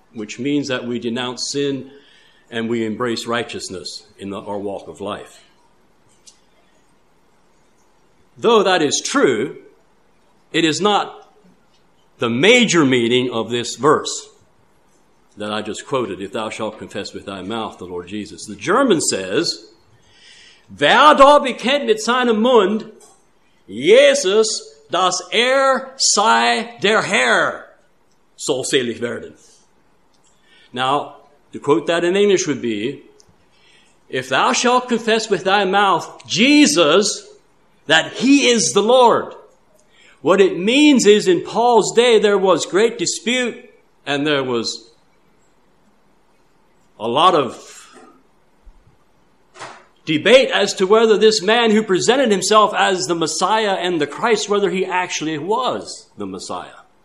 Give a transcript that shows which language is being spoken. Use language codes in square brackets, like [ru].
[en] which means that we denounce sin and we embrace righteousness in our walk of life. Though that is true, it is not the major meaning of this verse that I just quoted, "If thou shalt confess with thy mouth the Lord Jesus." The German says, [de] "Wer da bekennt mit seinem Mund Jesus, dass sei der Herr, soll selig werden." [en] Now, to quote that in English would be, "If thou shalt confess with thy mouth Jesus, that he is the Lord." What it means is, in Paul's day, there was great dispute and there was a lot of debate as to whether this man who presented himself as the Messiah and the Christ, whether he actually was the Messiah.